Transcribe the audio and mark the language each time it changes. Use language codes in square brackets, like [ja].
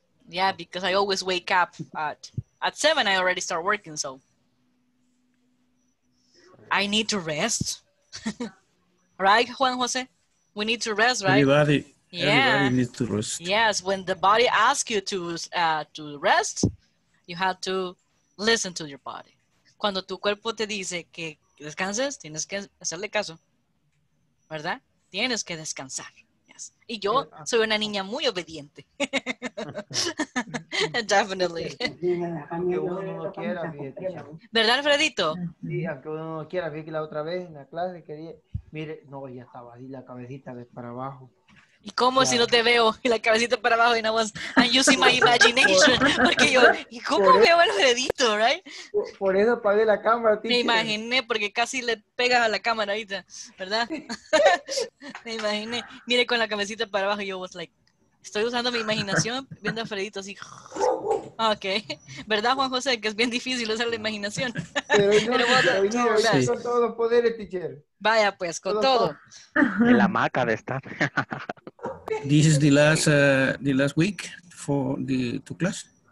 [en] Yeah, because I always wake up at 7, I already start working, so I need to rest. Right, Juan Jose? We need to rest, right? Everybody, yeah. Everybody needs to rest. Yes, when the body asks you to rest, you have to listen to your body. [es] Cuando tu cuerpo te dice que descanses, tienes que hacerle caso. ¿Verdad? Tienes que descansar. Yes. Y yo soy una niña muy obediente. [en] Definitely. [es] Aunque uno no quiera, fíjate. ¿Verdad, Alfredito? Sí, aunque uno no quiera, fíjate la otra vez en la clase que dije, mire, no, ya estaba ahí la cabecita de para abajo. ¿Y cómo si no te veo? Y la cabecita para abajo y no más. [en] I'm using my imagination. [es] Porque yo, ¿y cómo veo al Alfredito, right? Por eso apagué la cámara, tío. Me imaginé, porque casi le pegas a la cámara ahorita, ¿verdad? Me imaginé. Mire con la cabecita para abajo y yo [en] was like, [es] estoy usando mi imaginación viendo a Alfredito así. Ok. ¿Verdad, Juan José? Que es bien difícil usar la imaginación. Pero no, pero con todos los poderes, teacher. Vaya pues, con todo. En la maca de estar. [en] This is the last week for the to class.